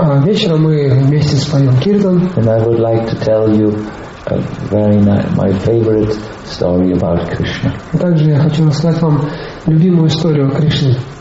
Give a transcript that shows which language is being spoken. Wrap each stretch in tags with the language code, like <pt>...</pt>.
<ru>Вечером мы вместе споем киртан.</ru> <en>And I would like to tell you a very my favorite story about Krishna.</en> <ru>Также я хочу рассказать вам любимую историю о Кришне.</ru>